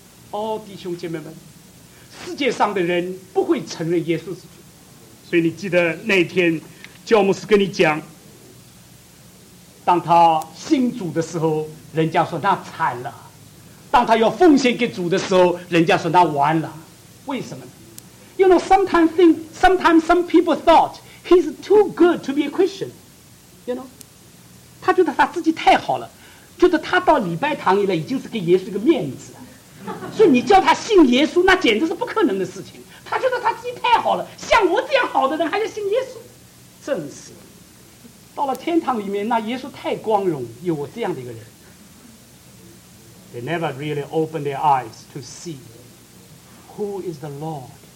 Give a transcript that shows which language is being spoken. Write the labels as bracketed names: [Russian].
[Chinese] 哦，弟兄姐妹们，世界上的人不会承认耶稣是主。所以你记得那天教牧师跟你讲，当他信主的时候，人家说那惨了，当他要奉献给主的时候，人家说那完了。为什么呢？ [English] You know, sometimes some people thought he's too good to be a Christian. You know, [Chinese] 他觉得他自己太好了，觉得他到礼拜堂以来已经是给耶稣一个面子了，所以你叫他信耶稣那简直是不可能的事情。他觉得他自己太好了，像我这样好的人还要信耶稣，真是。到了天堂里面，那耶稣太光荣，有我这样的一个人。 [English] They never really open their eyes to see who is the Lord.